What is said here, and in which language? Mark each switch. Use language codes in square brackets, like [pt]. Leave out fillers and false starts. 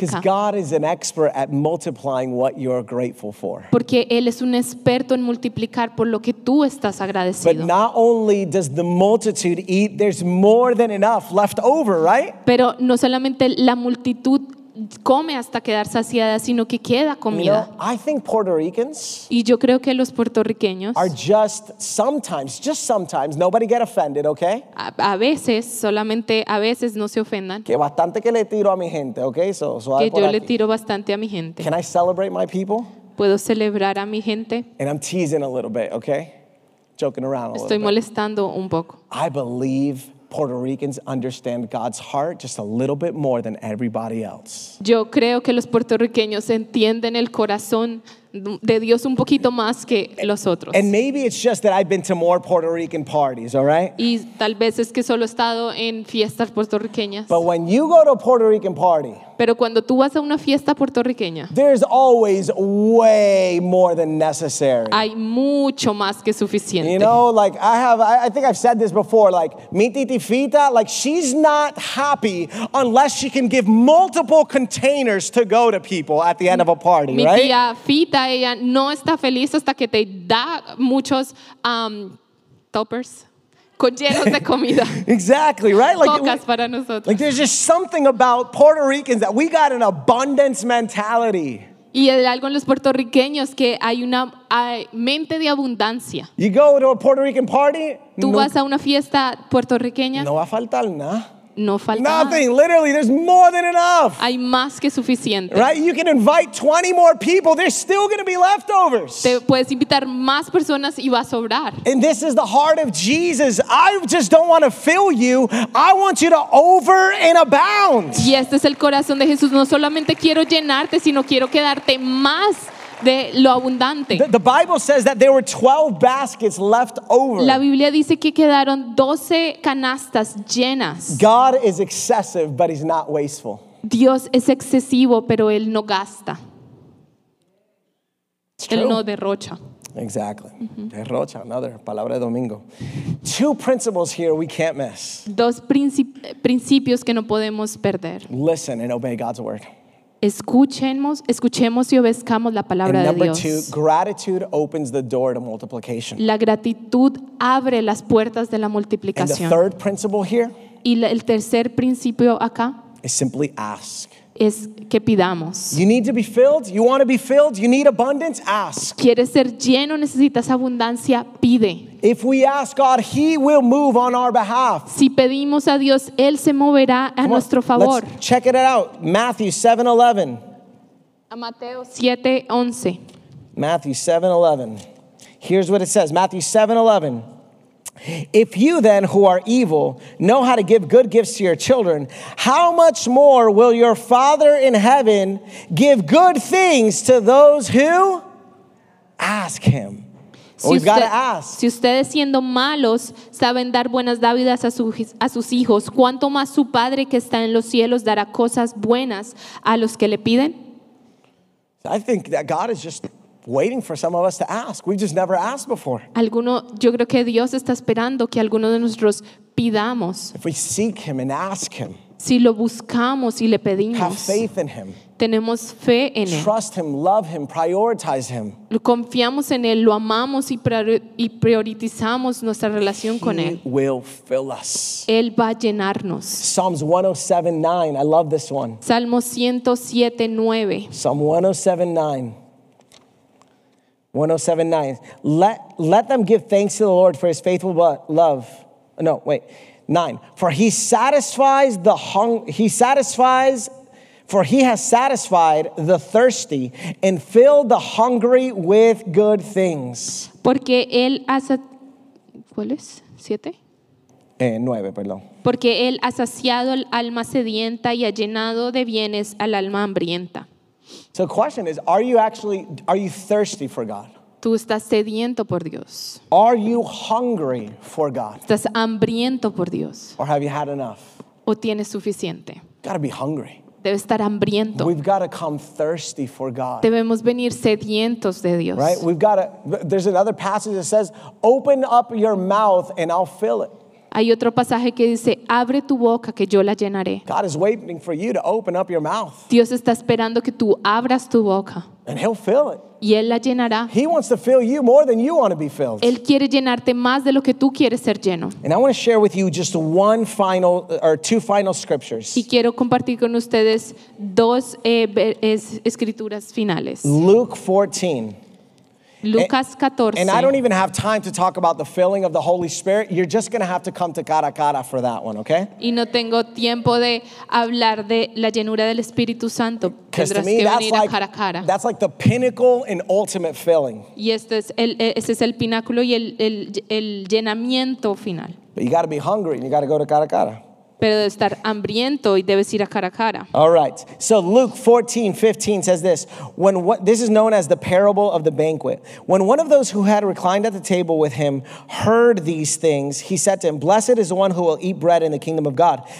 [en] Because God is an expert at multiplying what you're grateful for. [es] Porque él es un experto en multiplicar por lo que tú estás agradecido. [en] But not only does the multitude eat, there's more than enough left over, right? [es] Pero no solamente la multitud come hasta quedar saciada, sino que queda comida. [en] You know, I think Puerto Ricans, [es] y yo creo que los puertorriqueños, [en] are just sometimes, nobody get offended, okay? [es] A veces, solamente a veces, no se ofendan. Que bastante que le tiro a mi gente, okay? So que yo aquí le tiro bastante a mi gente. [en] Can I celebrate my people? [es] Puedo celebrar a mi gente. [en] And I'm teasing a little bit, okay? Joking around a [es] estoy [en] little [es] molestando [en] bit [es] un poco. [en] I believe Puerto Ricans understand God's heart just a little bit more than everybody else. [es] Yo creo que los puertorriqueños entienden el corazón de Dios un poquito más que los otros. [en] And maybe it's just that I've been to more Puerto Rican parties, all right? [es] Y tal vez es que solo he estado en fiestas puertorriqueñas. [en] But when you go to a Puerto Rican party, [es] pero cuando tú vas a una fiesta puertorriqueña, [en] there's always way more than necessary. [es] Hay mucho más que suficiente. [en] You know, like I think I've said this before, like [es] mi titifita, [en] like she's not happy unless she can give multiple containers to go to people at the end of a party, [es] mi [en] right? [es] Mi tía Fita, ella no está feliz hasta que te da muchos toppers. [en] Exactly, right? [es] Like, cocas para nosotros. [en] Like there's just something about Puerto Ricans that we got an abundance mentality. [es] Y algo en los puertorriqueños que hay una mente de abundancia. [en] You go to a Puerto Rican party. [es] Tú vas a una fiesta puertorriqueña. No va a faltar nada. No falta [en] nothing, literally, there's more than enough. [es] Hay más que suficiente. [en] Right? You can invite 20 more people, there's still going to be leftovers. [es] Te puedes invitar más personas y va a sobrar. [en] And this is the heart of Jesus. I just don't want to fill you. I want you to over and abound. [es] Y este es el corazón de Jesús. No solamente quiero llenarte, sino quiero quedarte más de lo abundante. [en] The Bible says that there were 12 baskets left over. [es] La Biblia dice que quedaron 12 canastas llenas. [en] God is excessive, but he's not wasteful. [es] Dios es excesivo, pero él no gasta. [en] It's true. [es] Él no derrocha. [en] Exactly. Mm-hmm. Derrocha, another [es] palabra de domingo. [en] Two principles here we can't miss. [es] Dos principios que no podemos perder. [en] Listen and obey God's word. [es] Escuchemos y obedezcamos la palabra [en] and [es] de Dios. [en] Number two, gratitude opens the door to multiplication. [es] La gratitud abre las puertas de la multiplicación. [en] And the third principle here, [es] y el tercer principio acá, [en] is simply ask. [es] Es que pidamos. [en] You need to be filled, you want to be filled, you need abundance, ask. [es] Quieres ser lleno, necesitas abundancia, pide. [en] If we ask God, he will move on our behalf. [es] Si pedimos a Dios, él se moverá a nuestro favor. [en] Let's check it out. Matthew 7:11. Matthew 7:11. Here's what it says. Matthew 7:11. If you then, who are evil, know how to give good gifts to your children, how much more will your Father in heaven give good things to those who ask him? We've got to ask. [es] Si ustedes siendo malos saben dar buenas dádivas a sus hijos, ¿cuánto más su Padre que está en los cielos dará cosas buenas a los que le piden? [en] I think that God is just waiting for some of us to ask. We've just never asked before. [es] Alguno, yo creo que Dios está esperando que alguno de nosotros pidamos. [en] If we seek him and ask him. [es] Si lo buscamos y le pedimos. [en] Have faith in him. [es] Tenemos fe en él. [en] Trust him, love him, prioritize him. [es] Lo confiamos en él, lo amamos y priorizamos nuestra relación [en] he [es] con él. [en] He will fill us. [es] Él va a llenarnos. [en] Psalms 107:9. I love this one. [es] Salmo 107:9. [en] Psalm 107:9. 107:9. Let them give thanks to the Lord for his faithful love. No, wait. 9. For he has satisfied the thirsty and filled the hungry with good things. [es] Porque él ha ¿cuál es? 7. 9, perdón. Porque él ha saciado el alma sedienta y ha llenado de bienes al alma hambrienta. [en] So the question is, are you thirsty for God? [es] tú estás sediento por Dios. [en] Are you hungry for God? [es] ¿Estás hambriento por Dios? [en] Or have you had enough? [es] ¿O tienes suficiente? [en] Gotta be hungry. [es] Debe estar hambriento. [en] We've got to come thirsty for God. [es] Debemos venir sedientos de Dios. [en] Right? We've got to, there's another passage that says, open up your mouth and I'll fill it. [es] Hay otro pasaje que dice, abre tu boca que yo la llenaré. [en] God is waiting for you to open up your mouth. [es] Dios está esperando que tú abras tu boca. [en] And he'll fill it. [es] Y él la llenará. [en] He wants to fill you more than you want to be filled. [es] Él quiere llenarte más de lo que tú quieres ser lleno. [en] And I want to share with you just one final or two final scriptures. [es] Y quiero compartir con ustedes dos escrituras finales. [en] Luke 14. [es] Lucas 14. [en] And I don't even have time to talk about the filling of the Holy Spirit. You're just going to have to come to Cara a Cara for that one, okay? [es] Y no tengo tiempo de hablar de la llenura del Espíritu Santo. [en] Because to me, that's like the pinnacle and ultimate filling. [es] Y este es el pináculo y el llenamiento final. [en] But you got to be hungry and you got to go to Cara a Cara. [es] Pero debes estar hambriento y debes ir a cara a cara. [en] All right. So Luke 14:15 says this. This is known as the parable of the banquet. When one of those who had reclined at the table with him heard these things, he said to him, blessed is the one who will eat bread in the kingdom of God.